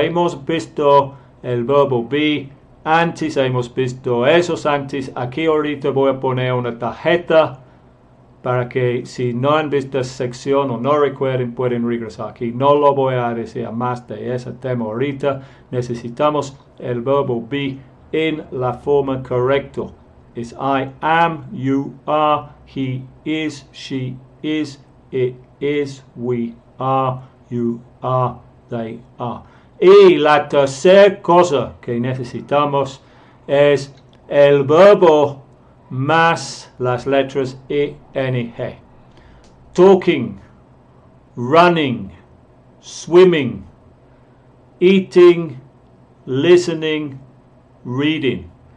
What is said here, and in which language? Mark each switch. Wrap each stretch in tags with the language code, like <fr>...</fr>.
<es>Hemos visto el verbo be. Antes hemos visto esos antes. Aquí ahorita voy a poner una tarjeta para que si no han visto esa sección o no recuerden, pueden regresar aquí. No lo voy a decir más de ese tema ahorita. Necesitamos el verbo be en la forma correcta. Es</es> <en>I am, you are, he is, she is, it is, we are, you are, they are.</en> <es>Y la tercera cosa que necesitamos es el verbo más las letras ing.</es> <en>Talking, running, swimming, eating, listening, reading.</en>